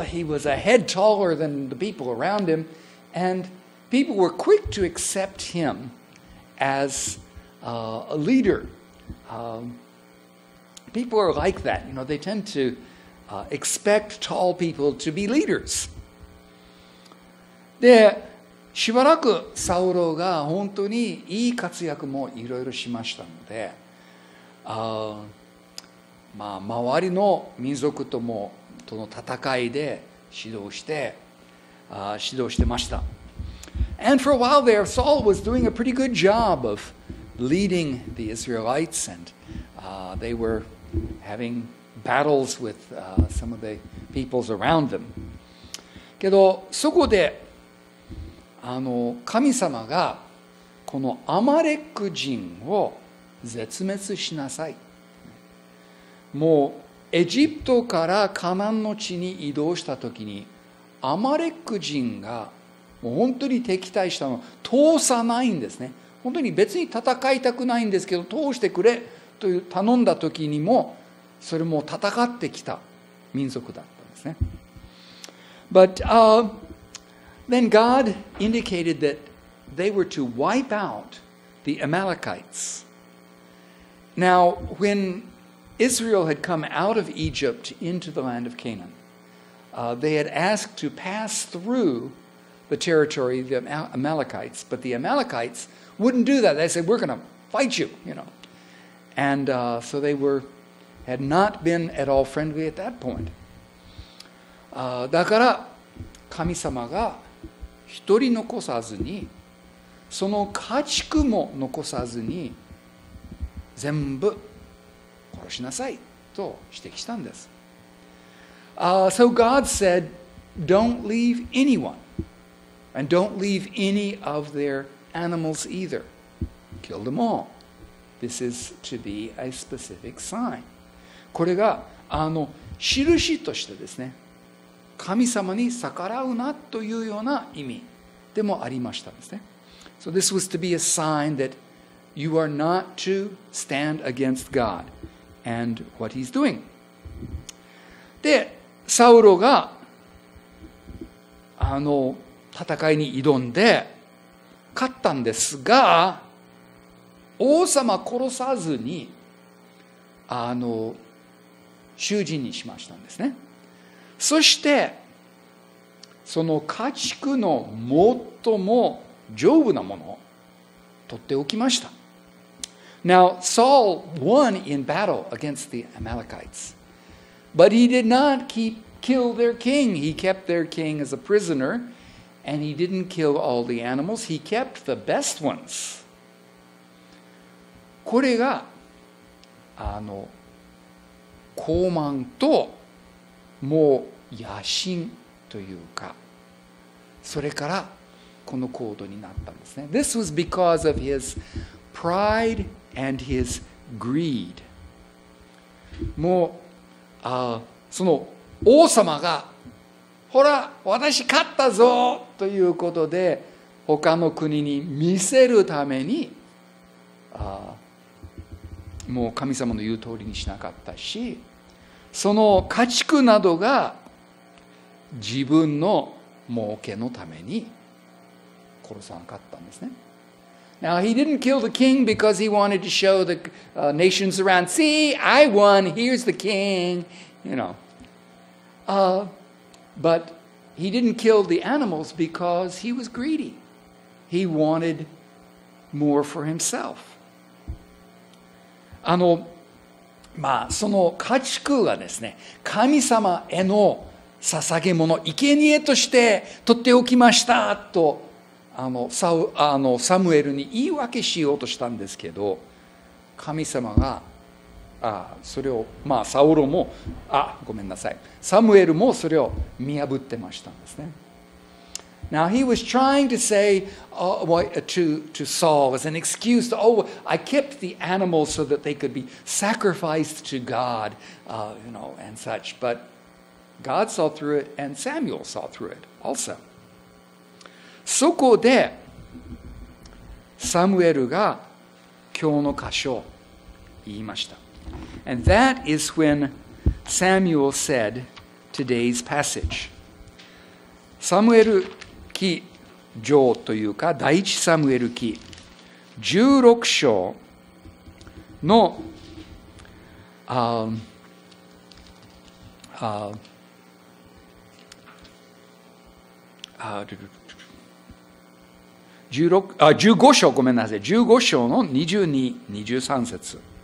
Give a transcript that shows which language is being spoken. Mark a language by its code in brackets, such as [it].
[en] He was a head taller than the people around him, and people were quick to accept him as a leader. People are like that. You know, they tend to expect tall people to be leaders. [ja] で、しばらくサウロが本当にいい活躍もいろいろしましたので、まあ、周りの民族ともとの戦いで指導してました。 [en] And for a while there, Saul was doing a pretty good job of leading the Israelites, and they were having battles with some of the peoples around them. [ja] けどそこで神様がこのアマレク人を絶滅しなさい、もうエジプトからカナンの地に移動した時にアマレク人がもう本当に敵対したのを通さないんですね。本当に別に戦いたくないんですけど通してくれという頼んだ時にもそれも戦ってきた民族だったんですね。 [en] ButThen God indicated that they were to wipe out the Amalekites. Now, when Israel had come out of Egypt into the land of Canaan, they had asked to pass through the territory of the Amalekites, but the Amalekites wouldn't do that. They said, we're going to fight you, you know. And so they had not been at all friendly at that point. [ja] だから神様が一人残さずに、その家畜も残さずに全部殺しなさいと指摘したんです。 [en] So God said, don't leave anyone, and don't leave any of their animals either. Kill them all. This is to be a specific sign. [ja] これが印としてですね、神様に逆らうなというような意味でもありましたんですね。 [en] So this was to be a sign that you are not to stand against God and what he's doing. [ja] で、サウロが戦いに挑んで勝ったんですが、王様殺さずに囚人にしましたんですね。そしてその家畜の最も丈夫なものを取っておきました。 [en] Now Saul won in battle against the Amalekites, but he did not kill their king. He kept their king as a prisoner, and he didn't kill all the animals. He kept the best ones. [ja] これが傲慢と、もう野心というか、それからこの行動になったんですね。 [en] This was because of his pride and his greed. [ja] もう、その王様が、ほら、私勝ったぞということで、他の国に見せるために、もう神様の言う通りにしなかったし、その家畜などが自分の儲けのために殺さなかったんですね。 [en] Now, he didn't kill the king because he wanted to show the nations around, see, I won, here's the king, you know. But he didn't kill the animals because he was greedy. He wanted more for himself. [ja] その家畜がですね、神様への捧げ物、生贄として取っておきましたと、サムエルに言い訳しようとしたんですけど、神様がそれを、サウロも、ごめんなさい、サムエルもそれを見破ってましたんですね。 [en] Now he was trying to say to Saul as an excuse, oh, I kept the animals so that they could be sacrificed to God, and such. But God saw through it and Samuel saw through it also. [ja] そこで、サムエルが今日の箇所を言いました。 [en] And that is when Samuel said today's passage. [ja] サムエル記上というか、第一サムエル記16章の15章、ごめんなさい、15章の22、23節。